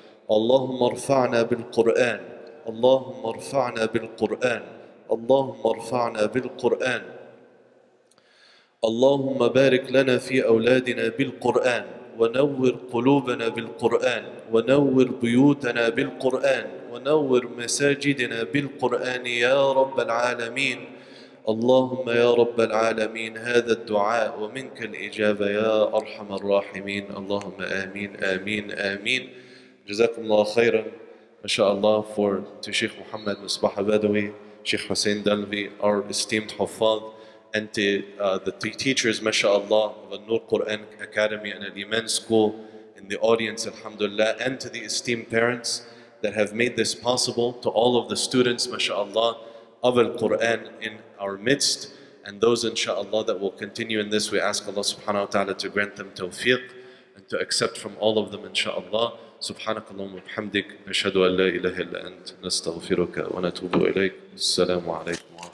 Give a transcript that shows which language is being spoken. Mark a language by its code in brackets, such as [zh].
[ar] اللهم ارفعنا بالقرآن اللهم ارفعنا بالقرآن اللهم ارفعنا بالقرآن اللهم بارك لنا في أولادنا بالقرآن ونور قلوبنا بالقرآن ونور بيوتنا بالقرآن ونور مساجدنا بالقرآن يا رب العالمين اللهم يا رب العالمين هذا الدعاء ومنك الإجابة يا أرحم الراحمين اللهم آمين آمين آمين. [en] Jazakumullah khairan, mashallah, for to Sheikh Muhammad Musbah Badawi, Sheikh Hussein Dalvi, our esteemed Hafad, and to the teachers, mashallah, of Al-Nur Quran Academy and Al-Iman School in the audience, alhamdulillah, and to the esteemed parents that have made this possible, to all of the students, mashallah, of Al-Quran in our midst, and those, inshallah, that will continue in this, we ask Allah subhanahu wa ta'ala to grant them tawfiq and to accept from all of them, inshallah. [ar] سبحانك اللهم وبحمدك نشهد أن لا إله إلا أنت نستغفرك ونتوب إليك السلام عليكم